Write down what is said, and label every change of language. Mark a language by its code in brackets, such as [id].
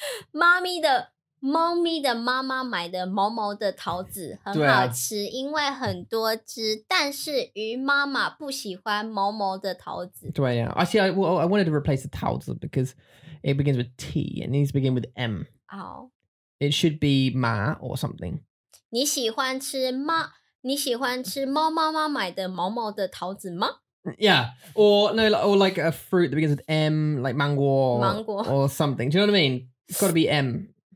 [zh] 猫咪的猫咪的妈妈买的毛毛的桃子很好吃、啊、因为很多汁但是鱼妈妈不喜欢毛毛的桃子对呀、啊、 [en] I wanted to replace the 桃子 because it begins with T it needs to begin with M、 oh. it should be 马 or something [zh] 你喜欢吃猫你喜欢吃猫妈妈买的毛毛的桃子吗 [en] yeah or no, or like a fruit that begins with M like 芒果 or something do you know what I mean it's got to be M